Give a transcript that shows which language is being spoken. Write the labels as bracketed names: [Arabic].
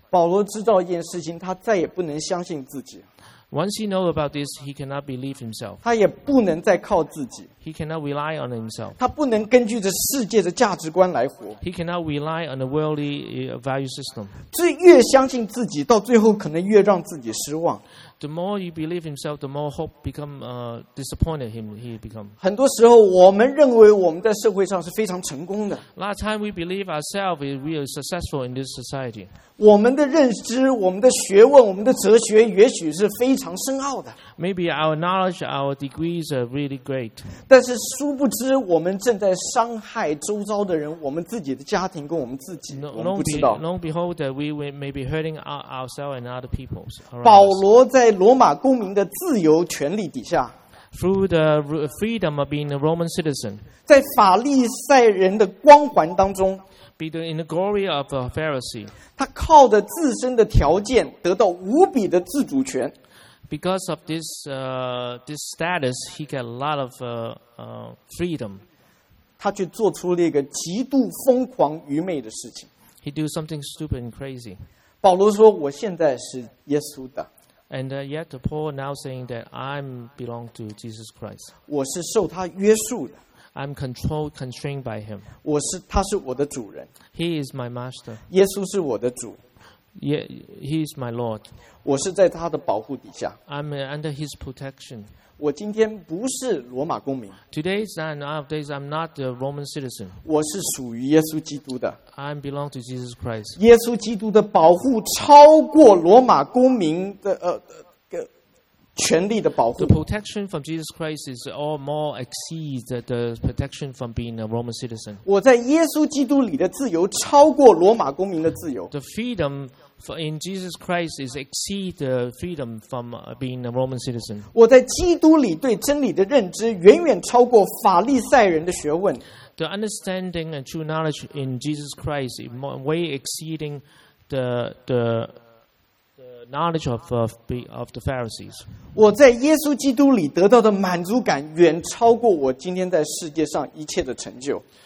[Chinese] 保罗知道一件事情，他再也不能相信自己。 [English] Once he knows about this, he cannot believe himself. [Chinese] 他也不能再靠自己。 [English] He cannot rely on himself. [Chinese] 他不能根据着世界的价值观来活。 [English] He cannot rely on the worldly value system. [Chinese] 这越相信自己，到最后可能越让自己失望。 [English] The more you believe himself, the more hope become disappointed him. He become. [Chinese] 很多时候，我们认为我们在社会上是非常成功的。 [English] A lot of time we believe ourselves we are successful in this society. [Chinese] 我们的认知、我们的学问、我们的哲学，也许是非常深奥的。 [English] Maybe our knowledge, our degrees are really great. [Chinese] 但是殊不知，我们正在伤害周遭的人，我们自己的家庭跟我们自己，我们不知道。 [English] Long behold, we may be hurting ourselves and other people. [Chinese] 保罗在罗马公民的自由权利底下 [English] ，through the freedom of being a Roman citizen， [Chinese] 在法利赛人的光环当中 [English] ，be the in the glory of a Pharisee， [Chinese] 他靠着自身的条件得到无比的自主权。 [English] Because of this this status, he got a lot of freedom. [Chinese] 他去做出了一个极度疯狂愚昧的事情。 [English] He do something stupid and crazy. [Chinese] 保罗说：“我现在是耶稣的。” [English] And yet Paul now saying that I'm belong to Jesus Christ. [Chinese] 我是受他约束的。 [English] I'm constrained by him. [Chinese] 他是我的主人。 [English] He is my master. [Chinese] 耶稣是我的主。 [English] Yeah, he is my Lord. [Chinese] 我是在他的保护底下。 [English] I'm under his protection. [Chinese] 我今天不是罗马公民。 [English] Today and nowadays, I'm not a Roman citizen. [Chinese] 我是属于耶稣基督的。 [English] I belong to Jesus Christ. [Chinese] 耶稣基督的保护超过罗马公民的权力的保护。 [English] The protection from Jesus Christ is all more exceeds the protection from being a Roman citizen. [Chinese] 我在耶稣基督里的自由超过罗马公民的自由。 [English] The freedom in Jesus Christ is exceed the freedom from being a Roman citizen. [Chinese] 我在基督里对真理的认知远远超过法利赛人的学问。 [English] The understanding and true knowledge in Jesus Christ is way exceeding the knowledge of the Pharisees. [Chinese] 我在耶稣基督里得到的满足感远超过我今天在世界上一切的成就。